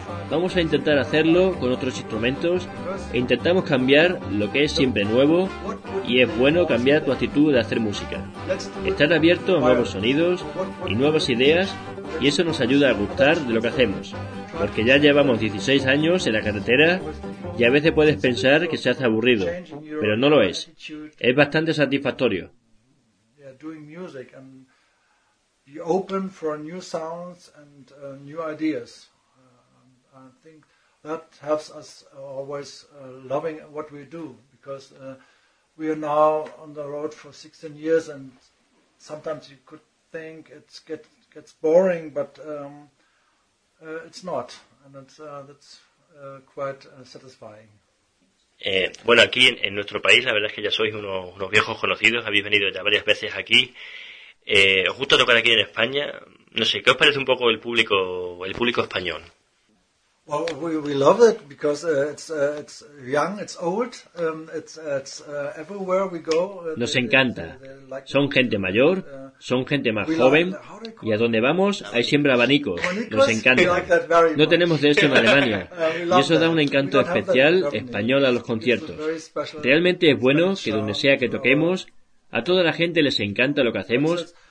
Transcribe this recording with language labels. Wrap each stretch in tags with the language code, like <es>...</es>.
<es>Vamos a intentar hacerlo con otros instrumentos e intentamos cambiar lo que es siempre nuevo, y es bueno cambiar tu actitud de hacer música. Estar abierto a nuevos sonidos y nuevas ideas, y eso nos ayuda a gustar de lo que hacemos. Porque ya llevamos 16 años en la carretera y a veces puedes pensar que se hace aburrido, pero no lo es. Es bastante satisfactorio.</es> <en>Doing music and be open for new sounds and new ideas. I think that helps us always loving what we do, because we are now on the road for 16 years and sometimes you could think it gets boring, but it's not, and that's quite satisfying.</en> <es>Bueno, aquí en nuestro país la verdad es que ya sois unos viejos conocidos, habéis venido ya varias veces aquí. ¿Os gusta tocar aquí en España? No sé, ¿qué os parece un poco el público español?</es> <en>Well, we love it because it's young, it's old, it's everywhere we go.</en> <es>Nos encanta. Son gente mayor, son gente más joven, y a donde vamos hay siempre abanicos. Nos encanta. No tenemos de eso en Alemania. Y eso da un encanto especial español a los conciertos. Realmente es bueno que donde sea que toquemos, a toda la gente les encanta lo que hacemos.</es>